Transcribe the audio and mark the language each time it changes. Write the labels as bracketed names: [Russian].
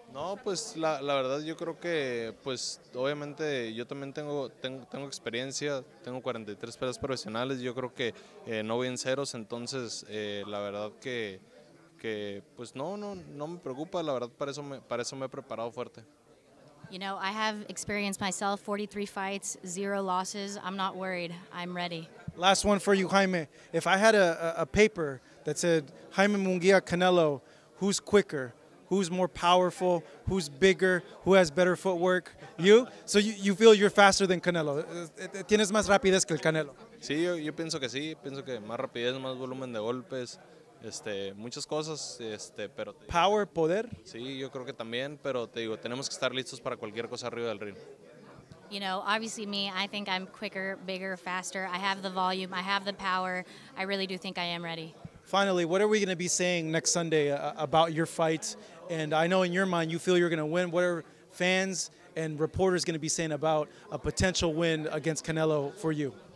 [Spanish] No, pues la verdad yo creo que, pues obviamente yo también tengo experiencia, tengo 43 peleas profesionales, yo creo que no voy en ceros, entonces la verdad que pues no me preocupa, la verdad para eso me he preparado fuerte. [English] You know, I have experience myself, 43 fights, 0 losses, I'm not worried, I'm ready. Last one for you, Jaime. If I had a paper that said Jaime Munguia Canelo, who's quicker? Who's more powerful? Who's bigger? Who has better footwork? You? So you feel you're faster than Canelo. [Spanish] ¿Tienes más rapidez que el Canelo? Sí, yo pienso que sí. Pienso que más rapidez, más volumen de golpes, muchas cosas, pero... ¿Power, poder? Sí, yo creo que también, pero te digo, tenemos que estar listos para cualquier cosa arriba del ring. [English] You know, obviously me, I think I'm quicker, bigger, faster. I have the volume, I have the power. I really do think I am ready. Finally, what are we going to be saying next Sunday about your fight? And I know in your mind you feel you're going to win. What are fans and reporters going to be saying about a potential win against Canelo for you?